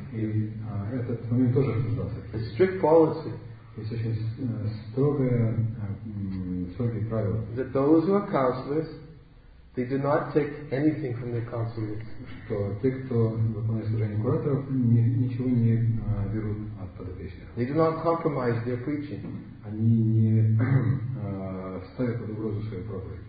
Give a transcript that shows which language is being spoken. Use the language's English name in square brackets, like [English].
[Russian] И этот момент тоже обсуждался. [English] A strict policy. [Russian] Есть очень строгие правила. [English] That those who are counselors, they do not take anything from their counselors. [Russian] Что те, кто выполняет служение кураторов, ничего не берут от подопечных. [English] They do not compromise their preaching. [Russian] Они не ставят под угрозу свою проповедь.